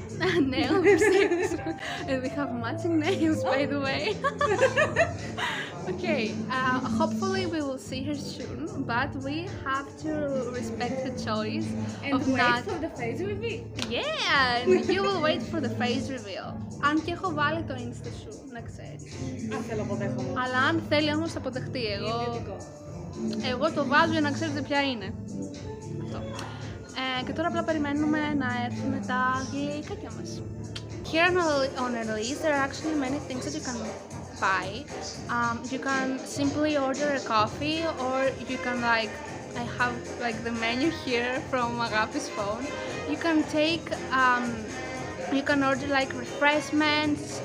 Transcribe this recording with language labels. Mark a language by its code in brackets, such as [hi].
[en] Nail appreciation. And we have matching nails, by the way. Okay, hopefully we will see her soon, but we have to respect the choice. And of wait not... for the face reveal. Yeah, and you will wait for the face reveal. [el] Αν και έχω βάλει το Insta σου, να ξέρεις. Αν θέλω αποδέχομαι. Αλλά αν θέλει όμως αποδεχτεί εγώ. Ιδιωτικό. Εγώ το βάζω για να ξέρετε ποια είναι. Αυτό. Και τώρα απλά περιμένουμε να έρθουν τα γλυκάκια μας. [en] Here on Ellyz, there are actually many things that you can buy. You can simply order a coffee, or you can like, I have like the menu here from Agapi's phone. You can take, you can order like refreshments.